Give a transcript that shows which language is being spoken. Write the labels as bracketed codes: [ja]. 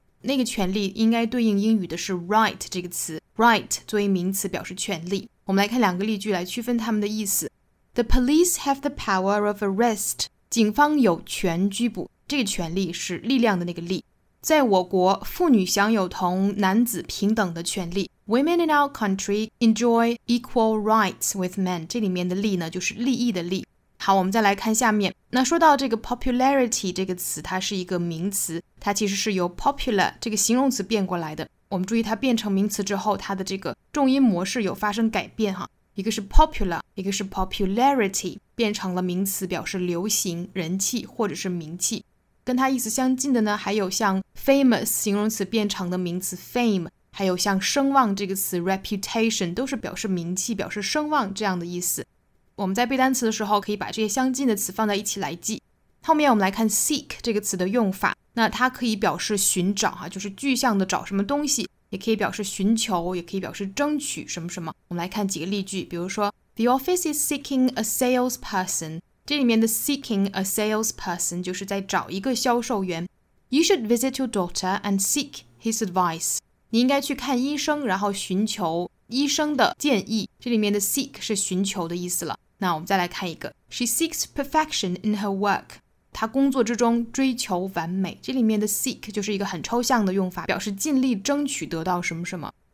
[zh] 那个权力应该对应英语的是 right 这个词， right 作为名词表示权力。我们来看两个例句来区分它们的意思。 [en] The police have the power of arrest. [zh] 警方有权拘捕，这个权力是力量的那个力。在我国，妇女享有同男子平等的权利。 [en] Women in our country enjoy equal rights with men. [zh] 这里面的利呢，就是利益的利。好，我们再来看下面。那说到这个 popularity 这个词，它是一个名词，它其实是由 popular 这个形容词变过来的。我们注意它变成名词之后，它的这个重音模式有发生改变哈。一个是 popular， 一个是 popularity， 变成了名词，表示流行、人气或者是名气。跟它意思相近的呢，还有像 famous 形容词变成的名词 fame， 还有像声望这个词 reputation， 都是表示名气、表示声望这样的意思。我们在背单词的时候，可以把这些相近的词放在一起来记。后面我们来看 seek 这个词的用法，那它可以表示寻找啊，就是具象的找什么东西，也可以表示寻求，也可以表示争取什么什么。我们来看几个例句，比如说 [en] The office is seeking a salesperson。 [zh] 这里面的 [en] seeking a salesperson [zh] 就是在找一个销售员。 [en] You should visit your doctor and seek his advice. [zh] 你应该去看医生，然后寻求医生的建议。这里面的 seek 是寻求的意思了。那我们再来看一个， [en] She seeks perfection in her work. [zh] 她工作之中追求完美。这里面的 seek 就是一个很抽象的用法，表示尽力争取得到什么什么。